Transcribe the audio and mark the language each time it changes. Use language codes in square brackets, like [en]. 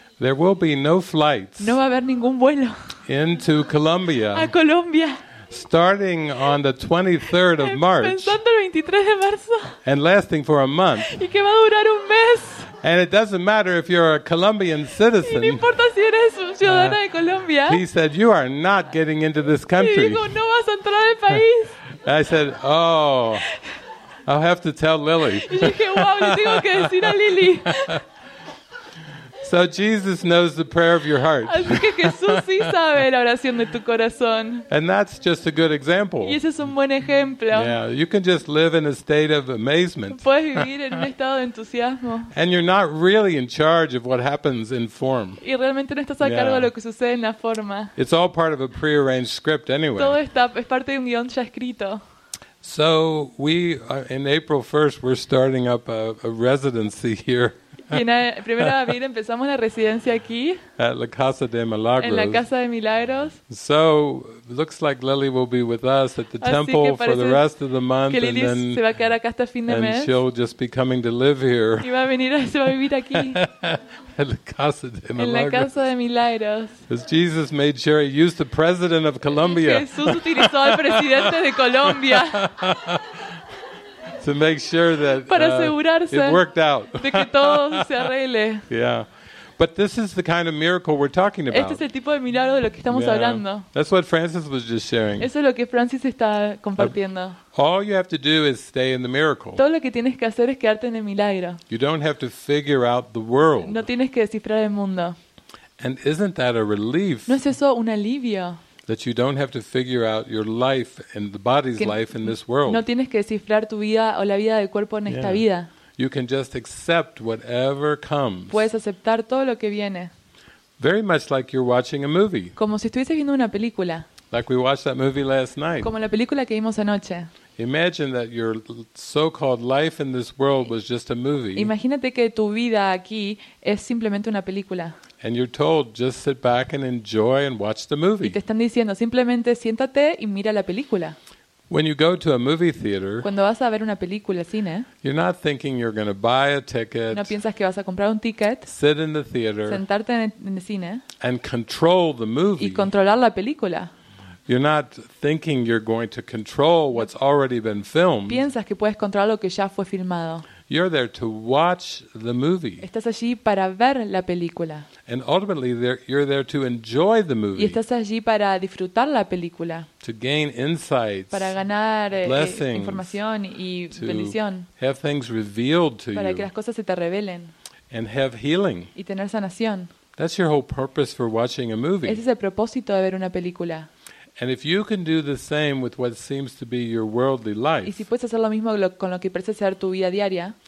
[en] There will be no flights. [es] No va a haber ningún vuelo. [en] Into Colombia. [es] A Colombia. [en] Starting on the 23rd of March. [es] Empezando el 23 de marzo. [en] And lasting for a month. [es] Y que va a durar un mes. [en] And it doesn't matter if you're a Colombian citizen. [es] Y no importa si eres un ciudadano de Colombia. [en] He said, "You are not getting into this country." [es] Y dijo, "No vas a entrar al país." [en] I said, "Oh, I'll have to tell Lily." [es] Y dije, "Wow, le tengo que decir a Lily." [en] So Jesus knows the prayer of your heart. [es] Así que Jesús sí sabe la oración de tu corazón. [en] And that's just a good example. [es] Y ese es un buen ejemplo. [en] Yeah, you can just live in a state of amazement. [es] Puedes vivir en un estado de entusiasmo. [en] And you're not really in charge of what happens in form. [es] Y realmente no estás a cargo de lo que sucede en la forma. [en] It's all part of a prearranged script anyway. [es] Todo está es parte de un guion ya escrito. [en] So we in April 1st we're starting up a residency here. [es] Y en el 1 de abril empezamos la residencia aquí. [en] At la Casa de Milagros. [es] En la Casa de Milagros. [en] So looks like Lily will be with us at the temple for the rest of the month, [es] que Lily [en] and then [es] se va a quedar acá hasta fin de mes. [en] And she'll just be coming to live here. [es] Y va a venir, se va a vivir aquí. [en] At la Casa de Milagros. [es] En la Casa de Milagros. [en] Because Jesus made sure he used the president of Colombia. [es] Jesús utilizó al presidente de Colombia. [en] To make sure that it worked out. [es] De que todo se arregle. [en] Yeah. But this is the kind of miracle we're talking about. [es] Este es el tipo de milagro de lo que estamos hablando. [en] That's what Francis was just sharing. [es] Eso es lo que Francis está compartiendo. [en] All you have to do is stay in the miracle. [es] Todo lo que tienes que hacer es quedarte en el milagro. [en] You don't have to figure out the world. [es] No tienes que descifrar el mundo. [en] And isn't that a relief? [es] ¿No es eso un alivio? [en] That you don't have to figure out your life and the body's life in this world. [es] No tienes que descifrar tu vida o la vida del cuerpo en esta vida. [en] You can just accept whatever comes. [es] Puedes aceptar todo lo que viene. [en] Very much like you're watching a movie. [es] Como si estuviese viendo una película. [en] Like we watched that movie last night. [es] Como la película que vimos anoche. [en] Imagine that your so-called life in this world was just a movie. [es] Imagínate que tu vida aquí es simplemente una película. [en] And you're told just sit back and enjoy and watch the movie. [es] Y te están diciendo simplemente siéntate y mira la película. [en] When you go to a movie theater, [es] cuando vas a ver una película al cine, [en] you're not thinking you're going to buy a ticket. [es] No piensas que vas a comprar un ticket. [en] Sit in the theater. [es] Sentarte en el cine. [en] And control the movie. [es] Y controlar la película. [en] You're not thinking you're going to control what's already been filmed. [es] Piensas que puedes controlar lo que ya fue filmado. [en] You're there to watch the movie. [es] Estás allí para ver la película. [en] And ultimately, you're there to enjoy the movie. [es] Y estás allí para disfrutar la película. [en] To gain insights. [es] Para ganar información y bendición. [en] To have things revealed to you. [es] Para que las cosas se te revelen. [en] And have healing. [es] Y tener sanación. [en] That's your whole purpose for watching a movie. [es] Ese es el propósito de ver una película. [en] And if you can do the same with what seems to be your worldly life, [es] y si puedes hacer lo mismo con lo que parece ser tu vida diaria,